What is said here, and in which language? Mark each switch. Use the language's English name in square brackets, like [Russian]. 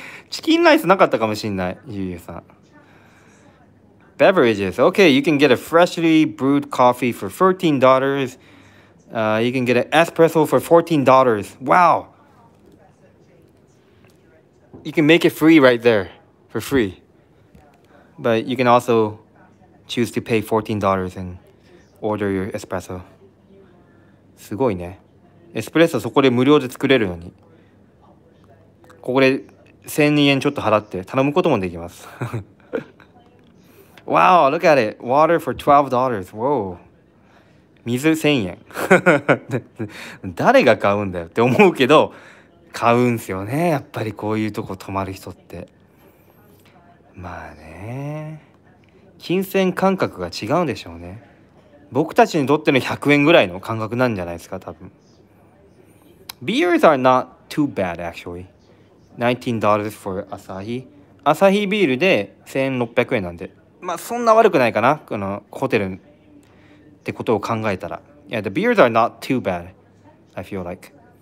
[Japanese] チキンライスなかったかもしれない、ゆうゆうさん。 [English] Beverages. Okay, you can get a freshly brewed coffee for $14. You can get an espresso for $14. Wow! You can make it free right there, for free. But you can also choose to pay $14 and order your espresso. [Japanese] すごいね。エスプレッソそこで無料で作れるのに。ここで1000円ちょっと払って頼むこともできます。 [English] Wow, look at it. Water for $12. Whoa. [Japanese] 水1000円。誰が買うんだよって思うけど、買うんすよね、やっぱりこういうとこ泊まる人って。まあね、金銭感覚が違うんでしょうね。僕たちにとっての100円ぐらいの感覚なんじゃないですか、多分。 [English] Beers are not too bad, actually. $19 for Asahi. [Japanese] Asahi ビールで1600円なんで。まあそんな悪くないかな、このホテルってことを考えたら。 [English] Yeah, the beers are not too bad, I feel like.